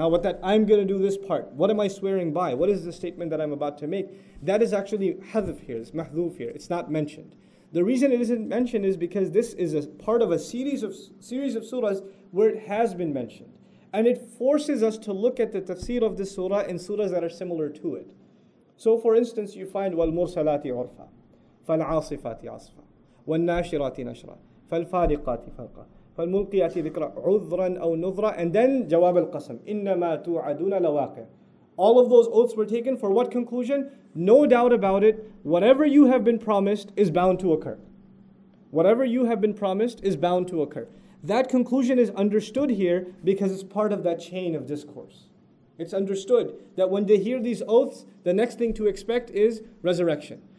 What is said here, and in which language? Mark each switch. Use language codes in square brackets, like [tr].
[en] Now what that I'm going to do this part, what am I swearing by? What is the statement that I'm about to make? That is actually hadhf here, it's mahdhuf here, it's not mentioned. The reason it isn't mentioned is because this is a part of a series of surahs where it has been mentioned. And it forces us to look at the tafsir of this surah in surahs that are similar to it. So for instance, you find [ar] وَالْمُرْسَلَاتِ عُرْفًا فَالْعَاصِفَاتِ عَصْفًا وَالنَّاشِرَاتِ نَشْرًا فَالْفَارِقَاتِ فَرْقًا فَالْمُلْقِيَاتِ ذِكْرًا عُذْرًا أَوْ نُذْرًا. [en] And then [ar] جَوَابَ الْقَسَمِ إِنَّمَا تُوعَدُونَ لَوَاقِعٌ. [en] All of those oaths were taken for what conclusion? No doubt about it, whatever you have been promised is bound to occur. Whatever you have been promised is bound to occur. That conclusion is understood here because it's part of that chain of discourse. It's understood that when they hear these oaths, the next thing to expect is resurrection.